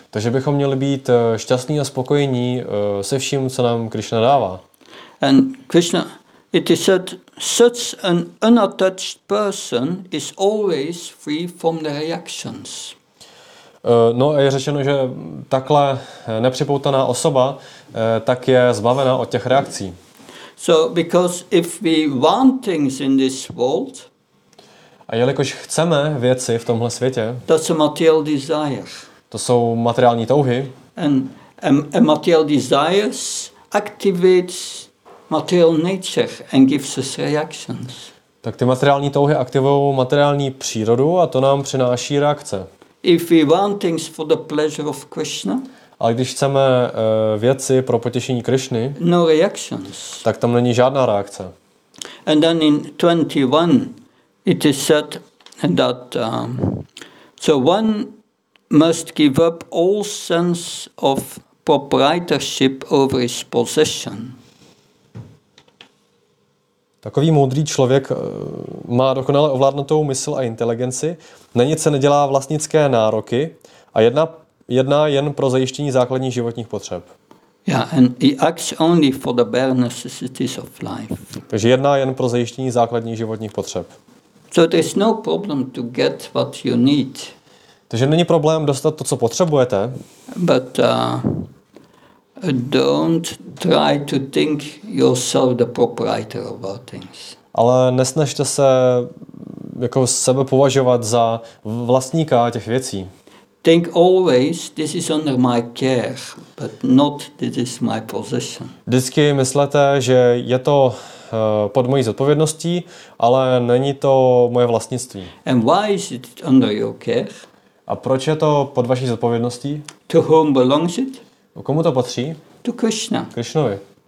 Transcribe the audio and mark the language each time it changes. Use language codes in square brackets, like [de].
[cs] Takže bychom měli být šťastní a spokojení se vším, co nám Krishna dává. [en] And Krishna, it is said, such an unattached person is always free from the reactions. [cs] No a je řečeno, že takhle nepřipoutaná osoba tak je zbavena od těch reakcí. [en] So because if we want things in this world, [cs] a jelikož chceme věci v tomhle světě, [en] that's a material desire. [cs] To jsou materiální touhy. [en] And a material desires activates material nature and gives us reactions. [cs] Tak ty materiální touhy aktivují materiální přírodu a to nám přináší reakce. [en] If we want things for the pleasure of Krishna, [cs] Ale když chceme věci pro potěšení Krišny, [en] no reactions. [cs] Tak tam není žádná reakce. [en] And then in 21 it is said that so one must give up all sense of proprietorship over his possession. [cs] Takový moudrý člověk má dokonale ovládnutou mysl a inteligenci, na nic se nedělá vlastnické nároky a jedná jen pro zajištění základních životních potřeb. [en] Yeah, and he acts only for the bare necessities of life. [cs] Takže jedná jen pro zajištění základních životních potřeb. [en] So there is no problem to get what you need. [cs] Takže není problém dostat to, co potřebujete. [en] But don't try to think yourself the proprietor of all things. [cs] Ale nesnažte se jako sebe považovat za vlastníka těch věcí. [en] Think always this is under my care, but not this is my possession. [cs] Vždycky myslete, že je to pod mojí zodpovědností, ale není to moje vlastnictví. [en] And why is it under your care? [cs] A proč je to pod vaší zodpovědností? [en] To whom belongs it? [cs] Komu to patří? [en] To Krishna. [cs] Krishnovi.